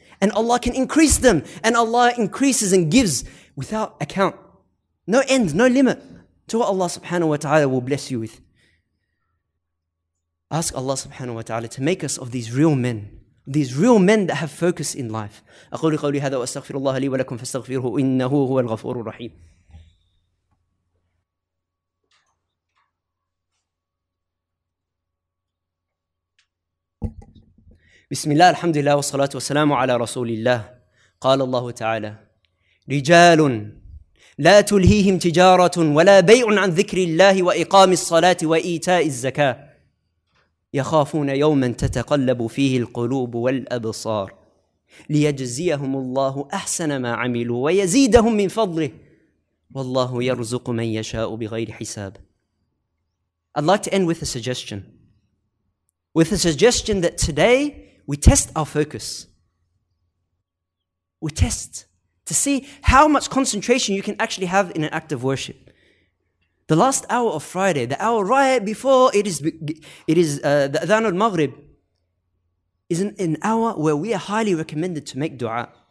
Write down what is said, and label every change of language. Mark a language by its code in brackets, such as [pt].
[en] And Allah can increase them. And Allah increases and gives without account. No end, no limit to what Allah subhanahu wa ta'ala will bless you with. Ask Allah subhanahu wa ta'ala to make us of these real men. These real men that have focus in life. [ar] أقول قولي هذا وأستغفر الله لي ولكم فاستغفره إنه هو الغفور الرحيم. بسم الله الحمد لله والصلاة والسلام على رسول الله. قال الله تعالى رجال لا تلهيهم تجارة ولا بيع عن ذكر الله وإقام الصلاة وإيتاء الزكاة يخافون يوما تتقلب فيه القلوب والأبصار ليجزيهم الله أحسن ما عملوا ويزيدهم من فضله والله يرزق من يشاء بغير حساب. [en] I'd like to end with a suggestion. With a suggestion that today we test our focus. We test to see how much concentration you can actually have in an act of worship. The last hour of Friday, the hour right before it is the Adhan al-Maghrib, is an hour where we are highly recommended to make dua.